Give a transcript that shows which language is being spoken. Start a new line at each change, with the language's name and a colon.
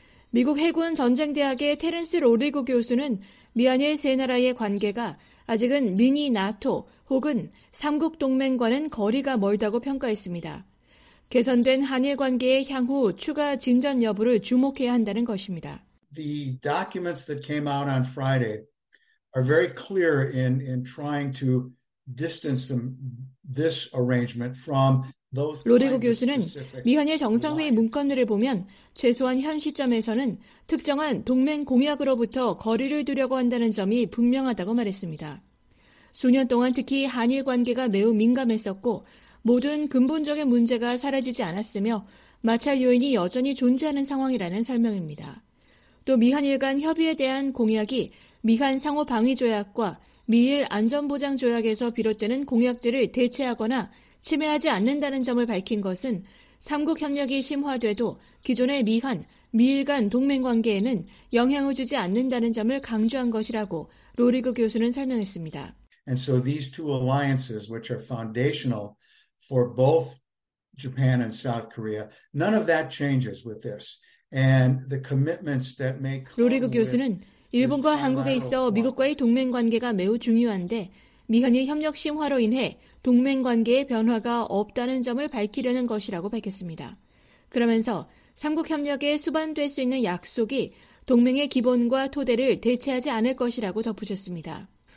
Korean: 미국 해군 전쟁대학의 테렌스 로리고 교수는 미한일 세 나라의 관계가 아직은 미니 나토 혹은 3국 동맹과는 거리가 멀다고 평가했습니다. 개선된 한일 관계의 향후 추가 진전 여부를 주목해야 한다는 것입니다.
English: The documents that came out on Friday are very clear in trying to distance this arrangement from those.
Korean: 로리고 교수는 미한일 정상회의 문건들을 보면 최소한 현 시점에서는 특정한 동맹 공약으로부터 거리를 두려고 한다는 점이 분명하다고 말했습니다. 수년 동안 특히 한일 관계가 매우 민감했었고 모든 근본적인 문제가 사라지지 않았으며 마찰 요인이 여전히 존재하는 상황이라는 설명입니다. 또 미한일 간 협의에 대한 공약이 미한 상호방위조약과 미일 안전보장조약에서 비롯되는 공약들을 대체하거나 침해하지 않는다는 점을 밝힌 것은 3국 협력이 심화돼도 기존의 미한, 미일 간 동맹관계에는 영향을 주지 않는다는 점을 강조한 것이라고 로리그 교수는 설명했습니다.
English: And so these two alliances, which are foundational for both Japan and South Korea, none of that changes with this. And the commitments that make
Korean: 로리그 교수는 일본과 한국에 있어 미국과의 동맹관계가 매우 중요한데 미한일 협력 심화로 인해 동맹관계의 변화가 없다는 점을 밝히려는 것이라고 밝혔습니다. 그러면서 3국 협력에 수반될 수 있는 약속이 동맹의 기본과 토대를 대체하지 않을 것이라고 덧붙였습니다.